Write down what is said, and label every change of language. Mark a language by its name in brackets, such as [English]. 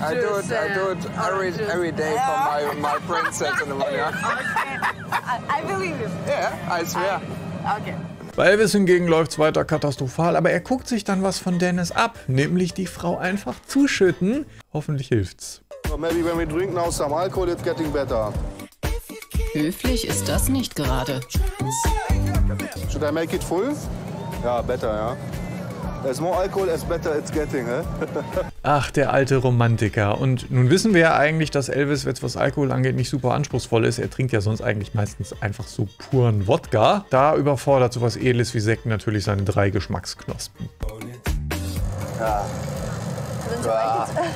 [English] it, juice. I do it every day, yeah, for my princess in the morning. Okay, I believe you. Yeah, I swear. Okay. [German] Bei Elvis hingegen läuft es weiter katastrophal, aber er guckt sich dann was von Dennis ab, nämlich die Frau einfach zuschütten. Hoffentlich hilft's. [English] Well, maybe when we drink now some alcohol, it's getting better. [German] Höflich ist das nicht gerade. [English] Should I make it full? Ja, better, ja. As more alcohol, as better it's getting, hä? [German] Ach, der alte Romantiker. Und nun wissen wir ja eigentlich, dass Elvis, was Alkohol angeht, nicht super anspruchsvoll ist. Er trinkt ja sonst eigentlich meistens einfach so puren Wodka. Da überfordert sowas Edles wie Sekt natürlich seine 3 Geschmacksknospen. Ja. Ja.